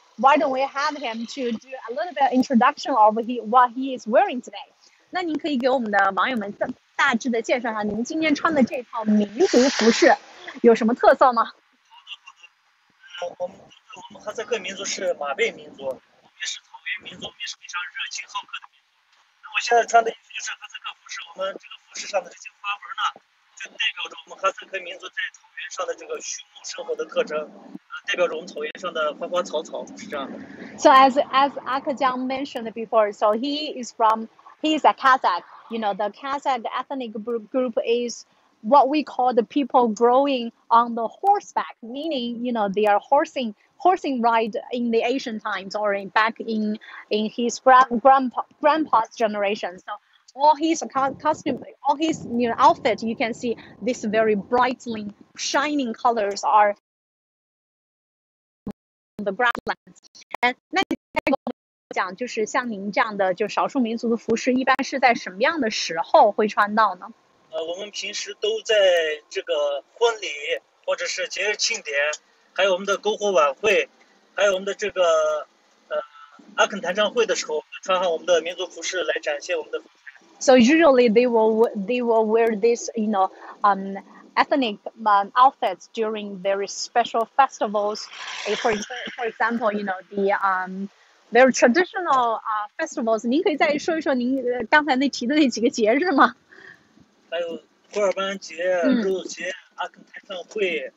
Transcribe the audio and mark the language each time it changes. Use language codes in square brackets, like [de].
[en] Why don't we have him to do a little bit of introduction of what he is wearing today? [zh] 那您可以给我们的网友们大致的介绍一下您今天穿的这套民族服饰有什么特色吗？我们哈萨克民族是马背民族，我们也是草原民族，也是非常热情好客的民族。那我现在穿的衣服就是哈萨克服饰，我们这个服饰上的这些花纹呢，就代表着我们哈萨克民族在草原上的这个畜牧生活的特征。 [en] So as Ake Jiang mentioned before, so he's a Kazakh. You know, the Kazakh ethnic group is what we call the people growing on the horseback, meaning, you know, they are horsing ride in the ancient times or back in his grandpa's generation. So all his costume, all his, you know, outfit, you can see this very brightly shining colors are. The grasslands. [zh] 那你再跟我讲，就是像您这样的，就少数民族的服饰，一般是在什么样的时候会穿到呢？我们平时都在这个婚礼或者是节日庆典，还有我们的篝火晚会，还有我们的这个阿肯弹唱会的时候，穿上我们的民族服饰来展现我们的。 [en] So usually they will wear this, you know, ethnic outfits during very special festivals. For example, you know, the very traditional festivals. [zh] 您可以再说一说您刚才那提的那几个节日吗？还有库尔班节、鹿节、阿肯弹唱会。